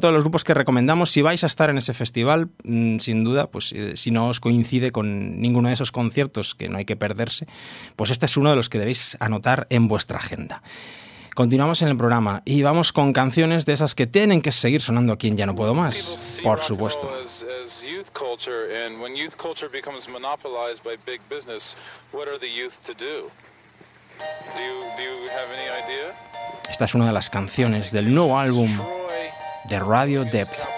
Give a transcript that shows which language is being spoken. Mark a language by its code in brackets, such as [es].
[es] Otro de los grupos que recomendamos, si vais a estar en ese festival, sin duda, pues si no os coincide con ninguno de esos conciertos que no hay que perderse, pues este es uno de los que debéis anotar en vuestra agenda. Continuamos en el programa y vamos con canciones de esas que tienen que seguir sonando aquí en Ya no puedo más, por supuesto. [en] As youth culture, and when youth culture becomes monopolized by big business, what are the youth to do? Do you have any idea? [es] Esta es una de las canciones del nuevo álbum de Radio Depth.